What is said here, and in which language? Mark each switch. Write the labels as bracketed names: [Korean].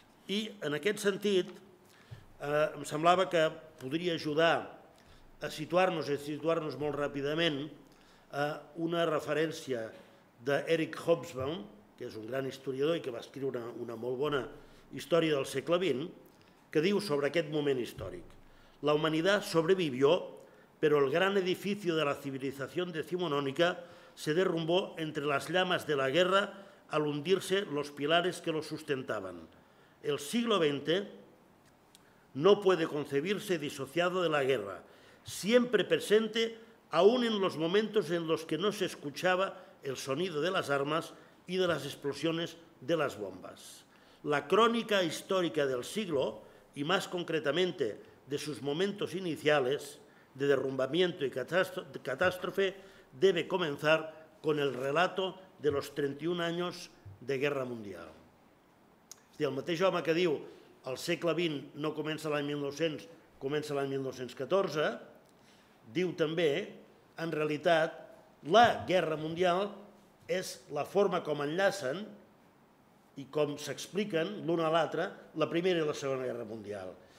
[Catalan] I en aquest sentit, em semblava que podria ajudar a situar-nos i situar-nos molt ràpidament a una referència d'Eric Hobsbawm, que és un gran historiador i que va escriure una molt bona història del segle XX, que diu sobre aquest moment històric: [Spanish] la humanidad sobrevivió, pero el gran edificio de la civilización decimonónica se derrumbó entre las llamas de la guerra al hundirse los pilares que lo sustentaban. El siglo XX no puede concebirse disociado de la guerra, siempre presente, aún en los momentos en los que no se escuchaba el sonido de las armas y de las explosiones de las bombas. La crónica histórica del siglo, y más concretamente de sus momentos iniciales de derrumbamiento y catástrofe, debe comenzar con el relato de los 31 años de guerra mundial. [Catalan] És a dir, el mateix home que diu el segle XX no comença l'any 1900, comença l'any 1914, diu també, en realitat, la guerra mundial és la forma com enllacen i com s'expliquen l'un a l'altre la Primera i la Segona Guerra Mundial.